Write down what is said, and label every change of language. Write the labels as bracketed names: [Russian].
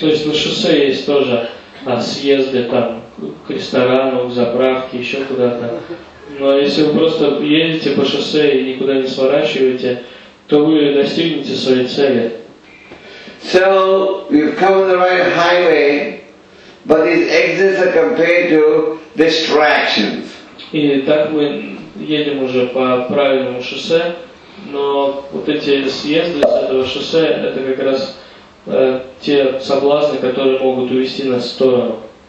[Russian] То есть на шоссе есть тоже съезды там к ресторану, к заправке, еще куда-то. Но если вы просто едете по шоссе и никуда не сворачиваете, то вы достигнете своей цели. [English] So you've come on the right highway, but these exits are compared to distractions. [Russian] И так мы едем уже по правильному шоссе, но вот эти съезды с этого шоссе — это как раз те соблазны, которые могут увести нас в сторону.